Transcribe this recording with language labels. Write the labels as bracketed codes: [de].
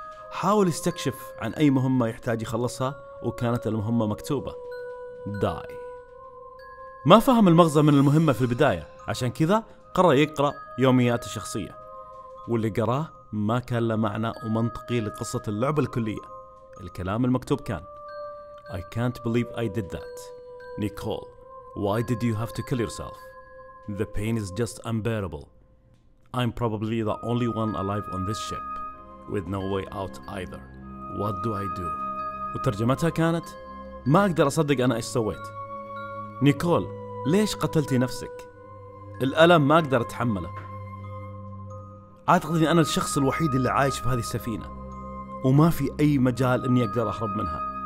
[ar] حاول يستكشف عن أي مهمة يحتاج يخلصها، وكانت المهمة مكتوبة داي. ما فهم المغزى من المهمة في البداية، عشان كذا قرر يقرأ يومياته الشخصية، واللي قراه ما كان له معنى ومنطقي لقصة اللعبة الكلية. الكلام المكتوب كان: [en] I can't believe I did that. Nicole, why did you have to kill yourself? The pain is just unbearable. I'm probably the only one alive on this ship with no way out either. What do I do? [ar] وترجمتها كانت: ما أقدر أصدق أنا إيش سويت. نيكول، ليش قتلتي نفسك؟ الألم ما أقدر أتحمله. أعتقد أني أنا الشخص الوحيد اللي عايش في هذه السفينة، وما في أي مجال أني أقدر أهرب منها.